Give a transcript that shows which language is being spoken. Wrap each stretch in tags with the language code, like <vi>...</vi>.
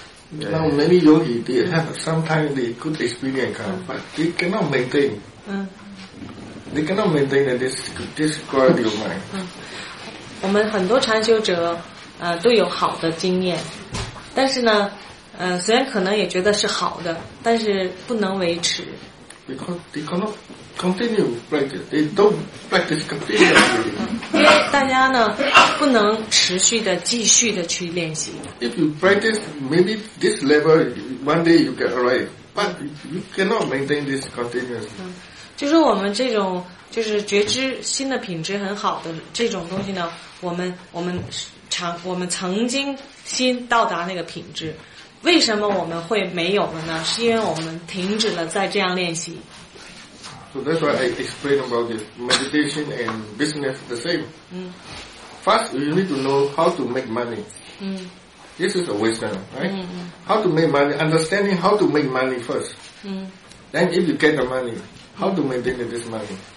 <en>Now many yogi they have sometimes the good experience, but they cannot maintain. They cannot maintain this quality of mind.</en> <zh>我们很多禅修者，都有好的经验，但是呢，虽然可能也觉得是好的，但是不能维持。</zh> <en>Because they cannot continue practice, they don't practice continuously.</en> <zh>因为大家呢，不能持续的、继续的去练习。</zh> <en>If you practice, maybe this level, one day you get arrive, but you cannot maintain this continuously.</en> <zh>就是我们这种。就是觉知心的品质很好的这种东西呢，我们曾经心到达那个品质，为什么我们会没有了呢？是因为我们停止了再这样练习。</zh> <en>So that's why I explain about this meditation and business the same. First, you need to know how to make money. This is a wisdom, right? How to make money? Understanding how to make money first. Then if you get the money. How to maintain this money?</en>